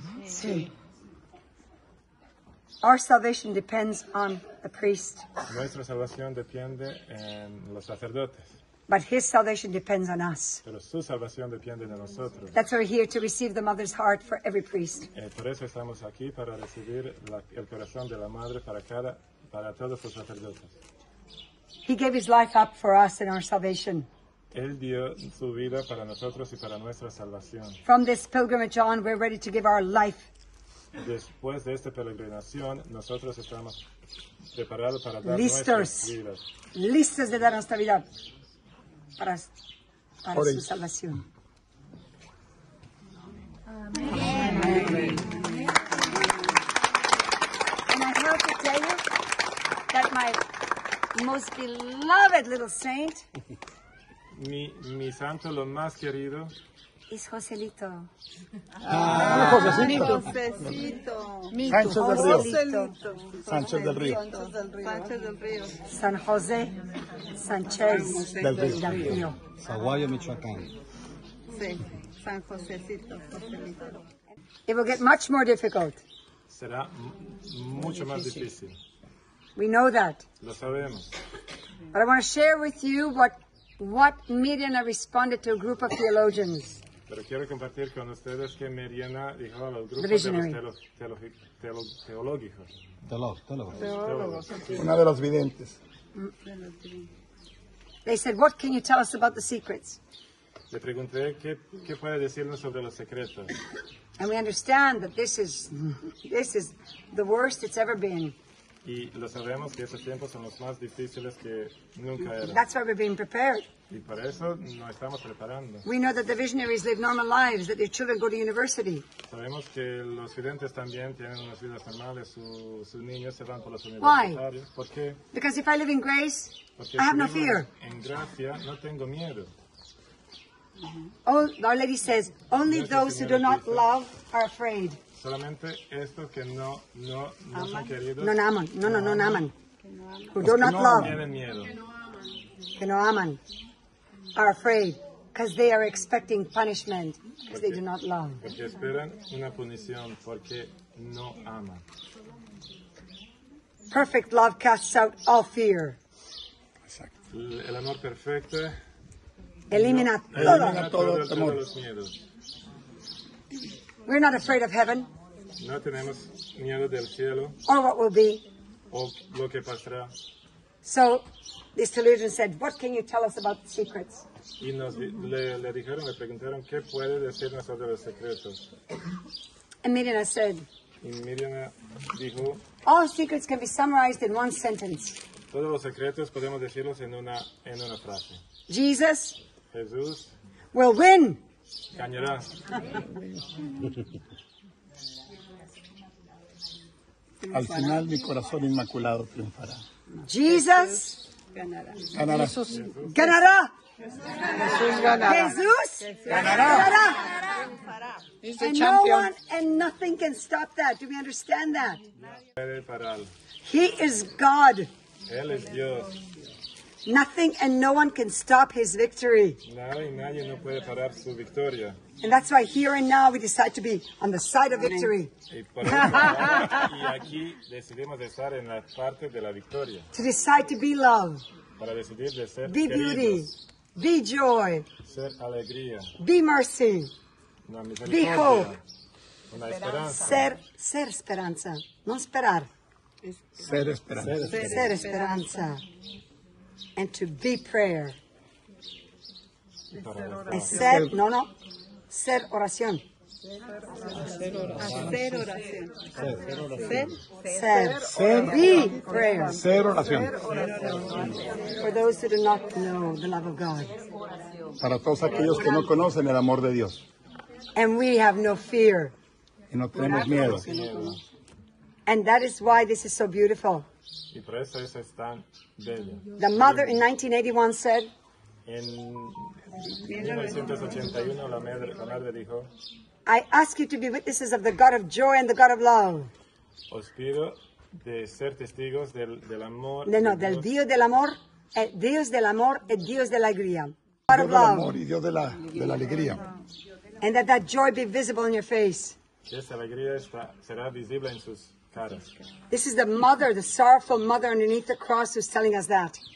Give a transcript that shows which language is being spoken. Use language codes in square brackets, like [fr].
[es] Sí. [en] Our salvation depends on the priest. [es] Nuestra salvación depende en los sacerdotes. [en] But his salvation depends on us. [es] Pero su salvación depende de nosotros. [en] That's why we're here to receive the mother's heart for every priest. [es] Por eso estamos aquí para recibir el corazón de la madre para todos los sacerdotes. [en] He gave his life up for us in our salvation. [es] Él dio su vida para nosotros y para nuestra salvación. [en] From this pilgrimage on, we're ready to give our life. [es] Después de esta peregrinación, nosotros estamos preparados para dar nuestras vidas. Listos de dar nuestra vida para su salvación. Amén. [en] And I have to tell you that my most beloved little saint. [es] Mi santo lo más querido es Joselito. Ah, Joselito. Mi Sancho del Río. Sancho del Río. San José Sánchez del Río. Saguayo, Michoacán. Sí, San Josécito. [en] It will get much more difficult. [es] Será mucho más difícil. [en] We know that. [es] Lo sabemos. [en] But I want to share with you what Mirjana responded to a group of theologians. [es] Pero quiero compartir con ustedes que Mirjana dijo al grupo de los teológicos. Una de las videntes. [en] They said, what can you tell us about the secrets? [es] Le pregunté, ¿qué puede decirnos sobre los secretos? [en] And we understand that this is the worst it's ever been. [es] Y lo sabemos que esos tiempos son los más difíciles que nunca eran. [en] That's why we're being prepared. [es] Y para eso nos estamos preparando. [en] We know that the visionaries live normal lives, that their children go to university. [es] Sabemos que los videntes también tienen unas vidas normales, sus niños se van por las universidades. [en] Why? [es] ¿Por qué? [en] Because if I live in grace, [es] porque [en] I have no fear. [es] En gracia, no tengo miedo. [en] Our Lady says, only those who do not love are afraid. [es] Solamente esto que no son queridos. No aman. No aman. [en] Who do not love. [es] Que no aman. [en] Are afraid. Because they are expecting punishment. Because they do not love. [es] Porque esperan una punición. Porque no aman. [en] Perfect love casts out all fear. [es] Exacto. El amor perfecto. Elimina todo temor. [en] We're not afraid of heaven. [es] No tenemos miedo del cielo. [en] Or what will be. [es] O lo que pasará. [en] So, this delusion said, what can you tell us about the secrets? [es] Y nos le dijeron, le preguntaron, ¿qué puede decirnos sobre los secretos? [en] And Mirjana said, [es] y Miriam dijo... [en] All secrets can be summarized in one sentence. [es] Todos los secretos podemos decirlos en una frase. [en] Jesus. [es] Jesús. [en] Will win. [es] Ganará. Al final mi corazón inmaculado triunfará. Jesús ganará. Jesús ganará. Jesús ganará. Jesús ganará. Ganará. [en] And no one and nothing can stop that. Do we understand that? He is God. [es] Él es Dios. [en] Nothing and no one can stop his victory. [es] Nadie no puede parar su victoria. [en] And that's why here and now we decide to be on the side of victory. [es] Y aquí decidimos estar en la parte de la victoria. [en] To decide to be love. [es] Para decidir de ser [en] be beauty. [es] Queridos. [en] Be joy. [es] Ser alegría. [en] Be mercy. [es] Una misericordia. [en] Be hope. [es] Una esperanza. Ser esperanza. No esperar. Ser esperanza. Ser esperanza. Ser esperanza. [en] And to be prayer. [es] Y ser, no, no. Ser oración. Ser oración. Ser oración. Ser oración. Ser oración. Ser prayer. Ser oración. [en] For those who do not know the love of God. [es] Para todos aquellos que no conocen el amor de Dios. [en] And we have no fear. [es] Y no tenemos miedo. [en] And that is why this is so beautiful. [es] Y por eso eso es tan bello. [en] The mother in 1981 said. [es] En 1981 la madre dijo. [en] I ask you to be witnesses of the God of joy and the God of love. [es] Os pido de ser testigos del amor. No, del Dios del amor, el Dios del amor y Dios de la alegría. God Dios of love. Del amor y Dios de la alegría. [en] And that joy be visible in your face. [es] Esa alegría será visible en sus caras. [en] This is the mother, the sorrowful mother underneath the cross who's telling us that.